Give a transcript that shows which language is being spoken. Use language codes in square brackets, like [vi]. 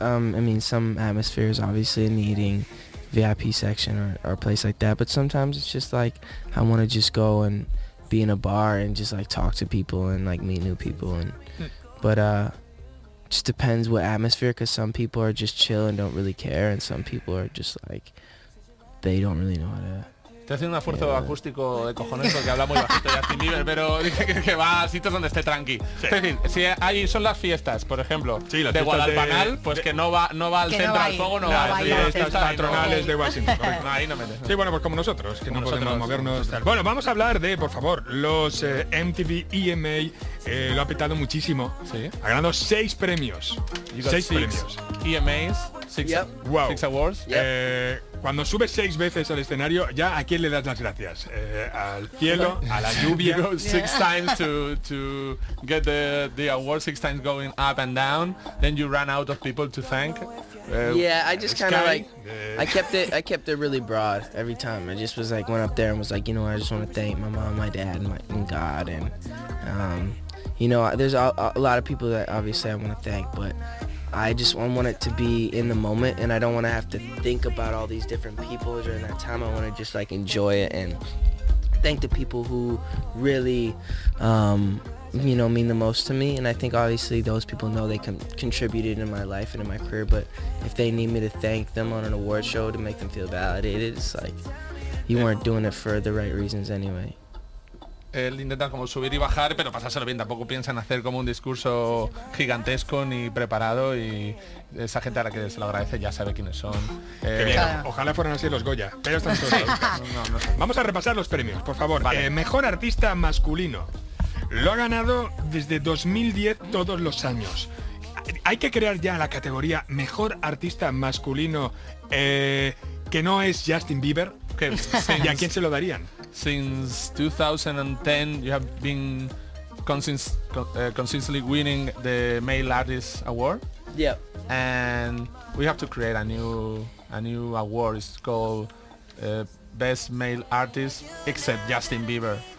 [en] I mean, some atmospheres obviously needing VIP section or a place like that, but sometimes it's just like I want to just go and be in a bar and just like talk to people and like meet new people and but just depends what atmosphere, because some people are just chill and don't really care, and some people are just like they don't really know how to [es] Te hace un esfuerzo acústico de cojones porque habla muy bajito Justin Bieber, pero dice que va a sitios donde esté tranqui. Sí. Es decir, si ahí son las fiestas, por ejemplo, sí, de Guadalpanal, pues que no va al centro al fuego, no va a las patronales de Washington. Ahí no metes. Sí, bueno, pues como nosotros, que como no nosotros, podemos movernos. Sí, tal. Bueno, vamos a hablar de, por favor, los MTV EMA. Lo ha petado muchísimo. Sí. Ha ganado 6 premios. [en] EMAs. Six, yep. Wow. Six awards. Yep. [es] Cuando subes 6 veces al escenario, ¿ya a quién le das las gracias? Al cielo, a la lluvia. [en] You go 6 times to get the award, 6 times going up and down, then you run out of people to thank. I just kind of like I kept it really broad every time. I just was like went up there and was like, you know, I just want to thank my mom, my dad, and God, and you know, there's a lot of people that obviously I want to thank, but I just want it to be in the moment, and I don't want to have to think about all these different people during that time. I want to just like enjoy it and thank the people who really, you know, mean the most to me. And I think obviously those people know they contributed in my life and in my career, but if they need me to thank them on an award show to make them feel validated, it's like you weren't doing it for the right reasons anyway. [es] Él intenta como subir y bajar, pero pasárselo bien. Tampoco piensa en hacer como un discurso gigantesco ni preparado. Y esa gente a la que se lo agradece ya sabe quiénes son. Ojalá fueran así los Goya. Pero están solos. No. Vamos a repasar los premios, por favor. Vale. Mejor artista masculino. Lo ha ganado desde 2010 todos los años. Hay que crear ya la categoría mejor artista masculino, que no es Justin Bieber. ¿Y a quién se lo darían? [en] Since 2010, you have been consistently winning the Male Artist Award. Yeah. And we have to create a new award. It's called Best Male Artist, except Justin Bieber.